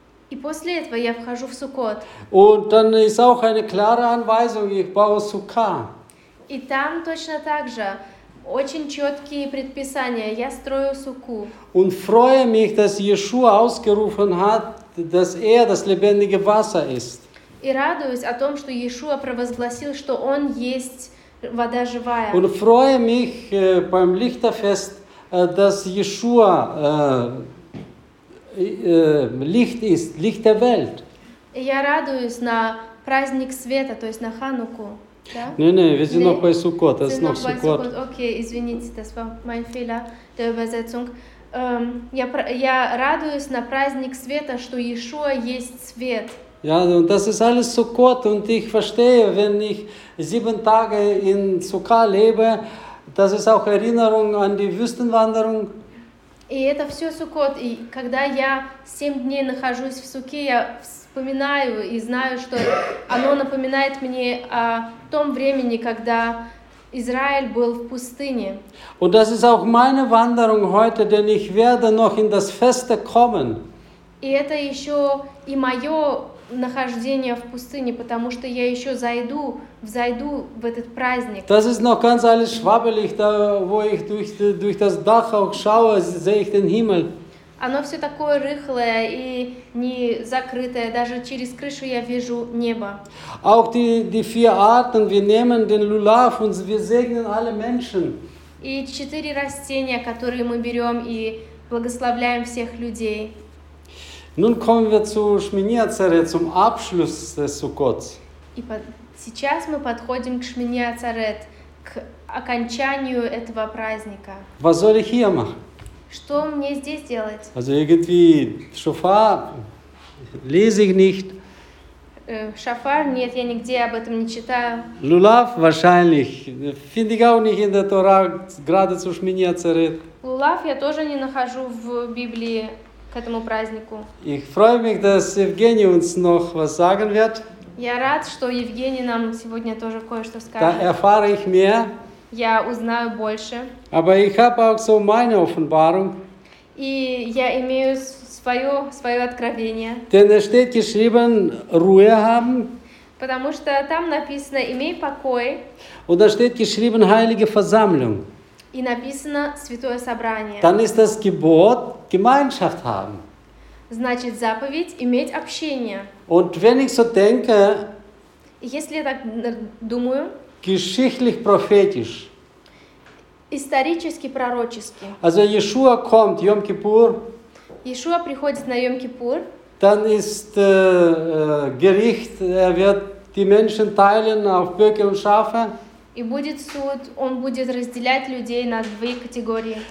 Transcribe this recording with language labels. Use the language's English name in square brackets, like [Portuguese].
[Russian] И после этого я вхожу в Суккот. [German] Und dann ist auch eine klare Anweisung, ich baue Sukka. [Russian] И там точно так же очень четкие предписания, я строю Сукку. [German] Und freue mich, dass Yeshua ausgerufen hat, dass das lebendige Wasser ist. [Russian] И радуюсь о том, что Иешуа провозгласил, что он есть вода живая. [German] Und freue mich beim Lichterfest, dass Yeshua Licht ist, Licht der Welt. [Russian] Я радуюсь на праздник света, то есть на Хануку. [German] Nein, wir sind noch bei Sukkot, das ist noch Sukkot. Okay, [Russian] извините, [German] das war mein Fehler der Übersetzung. [Russian] Я радуюсь на праздник света, что Иешуа есть свет. [German] Ja, und das ist alles Sukkot, und ich verstehe, wenn ich 7 Tage in Sukkah lebe, das ist auch Erinnerung an die Wüstenwanderung. [Russian] И это все Суккот, и когда я 7 дней нахожусь в Сукке, я вспоминаю и знаю, что оно напоминает мне о том времени, когда Израиль был в пустыне. [German] Und das ist auch meine Wanderung heute, denn ich werde noch in das Feste kommen. [Russian] И это еще и мое нахождение в пустыне, потому что я еще взойду в этот праздник. [German] Das ist noch ganz alles schwabbelig, da wo ich durch das Dach auch schaue, sehe ich den Himmel. [Russian] Оно все такое рыхлое и не закрытое, даже через крышу я вижу небо. [German] Auch die 4 Arten, wir nehmen den Lulav und wir segnen alle Menschen. [Russian] И 4 растения, которые мы берем и благословляем всех людей. [German] Nun kommen wir zu Shmini Atzeret, zum Abschluss des Sukkot. [Russian] И сейчас мы подходим к Shmini Atzeret, к окончанию этого праздника. [German] Was soll ich hier machen? [Russian] Что мне здесь делать? [German] Also irgendwie Shofar lese ich nicht. [Russian] Shofar, нет, я нигде об этом не читаю. [German] Lulav wahrscheinlich finde ich auch nicht in der Torah gerade zu Shmini Atzeret. [Russian] Lulav я тоже не нахожу в Библии. К этому празднику. [German] Ich freue mich, dass Евгений uns noch was sagen wird. [Russian] Я рад, что Евгений нам сегодня тоже кое-что скажет. [German] Da erfahre ich mehr. [Russian] Я узнаю больше. [German] Aber ich habe auch so meine Offenbarung. [Russian] И я имею свое откровение. [German] Denn es steht geschrieben, Ruhe haben. [Russian] Потому что там написано, имей покой. [German] Und da steht geschrieben, heilige Versammlung. [Russian] И написано «Святое собрание». [German] Dann ist das Gebot, Gemeinschaft haben. [Russian] Значит, заповедь – иметь общение. [German] Und wenn ich so denke, [Russian] если я так думаю, [German] geschichtlich-prophetisch, [Russian] исторически-пророчески, [German] also Yeshua kommt, Yom Kippur, [Russian] Yeshua приходит на Yom Kippur, [German] dann ist Gericht, er wird die Menschen teilen auf Böcke und Schafe, [Russian] и будет суд, он будет разделять людей на 2 категории.